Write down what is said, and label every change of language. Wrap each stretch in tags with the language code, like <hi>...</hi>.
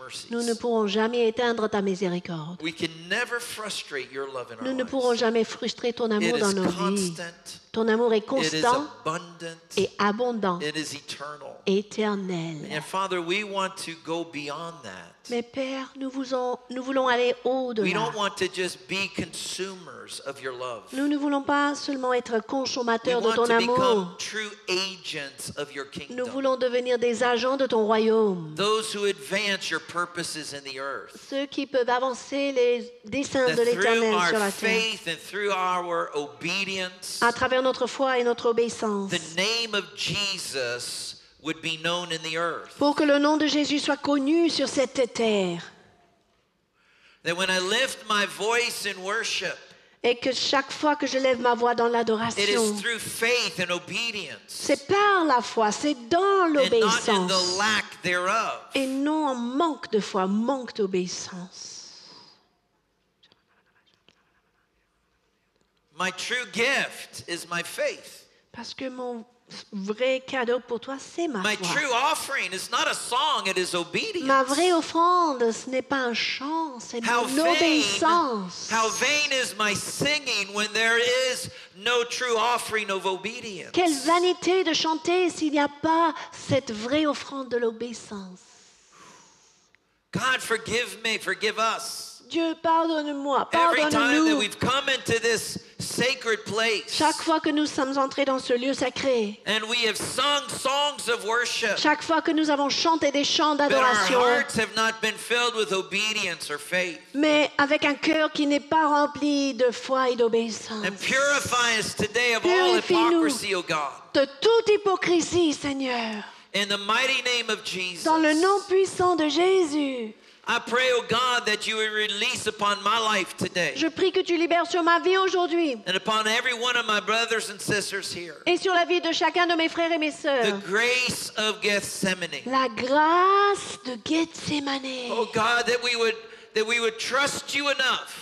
<fr>Nous ne pourrons jamais éteindre ta miséricorde. Nous ne pourrons jamais frustrer ton amour dans nos vies. Ton amour est constant et abondant et éternel.</fr> <en>And Father, we want to go beyond that.</en> <fr>Mais Père, nous voulons aller au-delà.</fr> <en>We don't want to just be consumers of your love.</en> <fr>Nous ne voulons pas seulement être consommateurs de ton amour.</fr> <en>We want to become true agents of your kingdom.</en> <fr>Nous voulons devenir des agents de ton royaume.</fr> <en>Those who advance your purposes in the earth.</en> <fr>Ceux qui peuvent avancer les desseins de l'Éternel sur la terre.</fr> <en>Through our faith and through our obedience.</en> <fr>À travers notre foi et notre obéissance.</fr> <en>The name of Jesus would be known in the earth.</en> <fr>Pour que le nom de Jésus soit connu sur cette terre.</fr> <en>That when I lift my voice in worship.</en> <fr>Et que chaque fois que je lève ma voix dans l'adoration.</fr> <en>It is through faith and obedience.</en> <fr>C'est par la foi, c'est dans l'obéissance.</fr> <en>And not in the lack thereof.</en> <fr>Et non en manque de foi, manque d'obéissance.</fr> <en>My true gift is my faith.</en> <fr>Parce que mon vrai cadeau pour toi, c'est ma foi.</fr> <en>My true offering is not a song, it is obedience.</en> <fr>Ma vraie offrande, ce n'est pas un chant, c'est une obéissance.</fr> <en>How vain is my singing when there is no true offering of obedience.</en> <fr>Quelle vanité de chanter s'il n'y a pas cette vraie offrande de l'obéissance.</fr> <en>God, forgive me, forgive us.</en> <fr>Dieu, pardonne-moi, pardonne-nous.</fr> <en>Every time that we've come into this sacred place.</en> <fr>Chaque fois que nous sommes entrés dans ce lieu sacré.</fr> <en>And we have sung songs of worship.</en> <fr>Chaque fois que nous avons chanté des chants d'adoration.</fr> <en>But our hearts have not been filled with obedience or faith.</en> <fr>Mais avec un cœur qui n'est pas rempli de foi et d'obéissance.</fr> <en>And purify us today of all hypocrisy, O God.</en> <fr>De toute hypocrisie, Seigneur.</fr> <en>In the mighty name of Jesus.</en> <fr>Dans le nom puissant de Jésus.</fr> <en>I pray, O God, that you would release upon my life today.</en> <fr>Je prie que tu libères sur ma vie aujourd'hui.</fr> <en>And upon every one of my brothers and sisters here.</en> <fr>Et sur la vie de chacun de mes frères et mes sœurs.</fr> <en>The grace of Gethsemane.</en> <fr>La grâce de Gethsemane.</fr> <en>O God, that we would trust you enough.</en>